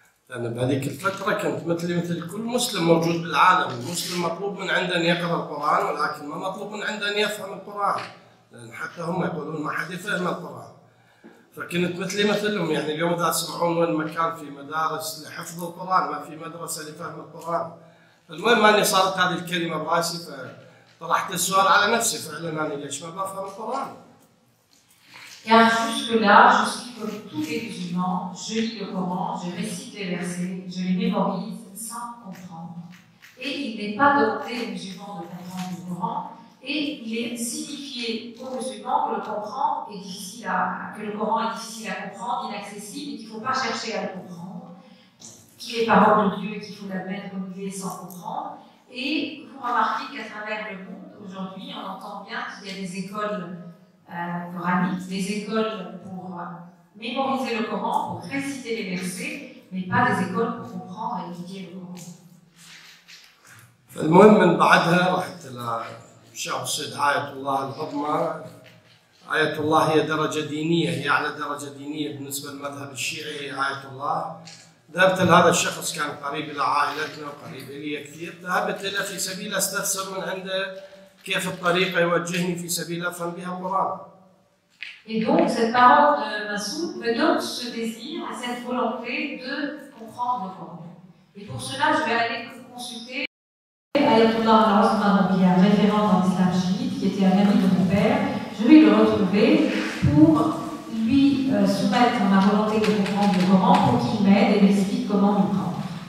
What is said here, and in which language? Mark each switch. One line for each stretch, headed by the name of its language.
Arabic: أنا بهذيك الفترة كنت مثل كل مسلم موجود بالعالم، المسلم مطلوب من عنده أن يقرأ القرآن، ولكن ما مطلوب من عنده أن يفهم القرآن، لأن حتى هم يقولون ما حد يفهم القرآن. فكنت مثلهم، يعني اليوم إذا تسمعون وين مكان في مدارس لحفظ القرآن، ما في مدرسة لفهم القرآن. المهم أني صارت هذه الكلمة براسي، فطرحت السؤال على نفسي فعلاً، أنا ليش ما بفهم القرآن؟
French: Car jusque-là, je suis comme tous les musulmans, je lis le Coran, je récite les versets, je les mémorise sans comprendre. Et il n'est pas demandé aux musulmans de comprendre le Coran, et il est signifié aux musulmans que le Coran est difficile à, que le Coran est difficile à comprendre, inaccessible, et qu'il ne faut pas chercher à le comprendre, qu'il est parole de Dieu et qu'il faut la mettre comme il est sans comprendre. Et vous remarquez qu'à travers le monde, aujourd'hui, on entend bien qu'il y a des écoles coraniques, des écoles pour mémoriser le Coran, pour réciter les versets, mais pas des écoles pour comprendre et étudier le Coran.
Arabic: المهم من بعدها رحت إلى شيخ السيد آية الله العظمى. آية الله هي درجة دينية، هي أعلى درجة دينية بالنسبة للمذهب الشيعي هي آية الله. ذهبت لهذا الشخص، كان قريب إلى عائلتنا وقريب إلي كثير، ذهبت إلى في سبيل استفسر من عنده كيف الطريقة يوجهني في سبيل أفهم بها القرآن.
French: Et donc cette parole de Massoud me donne ce désir, cette volonté de comprendre le Coran. Et pour cela, je vais aller consulter Ayatollah al-Rahmanabi, un référent dans l'islam chiite qui était un ami de mon père. Je vais le retrouver pour lui soumettre ma volonté de comprendre le Coran pour qu'il m'aide et m'explique comment le prendre.